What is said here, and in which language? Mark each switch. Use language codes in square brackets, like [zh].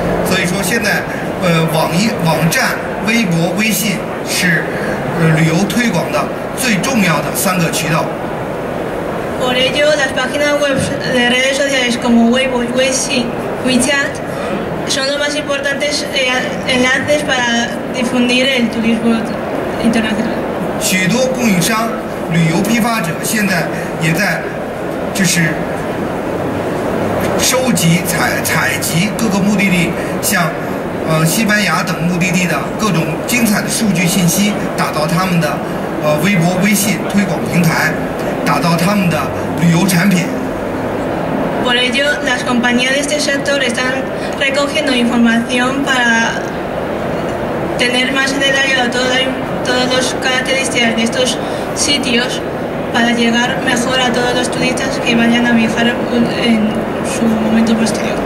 [zh] 所以说现在，网站、微博、微信是旅游推广的最重要的三个渠道。 [es] Por ello, las páginas web de redes sociales como Weibo, WeChat, WeChat son los más importantes enlaces para difundir el turismo. internacional. [zh] 许多供应商、旅游批发者现在也在，就是收集、采集各个目的地，像西班牙等目的地的各种精彩的数据信息，打到他们的微博、微信推广平台，打到他们的旅游产品。 [es] Por ello, las compañías de este sector están recogiendo información para tener más detalle de todas las características de estos sitios para llegar mejor a todos los turistas que vayan a viajar en su momento posterior.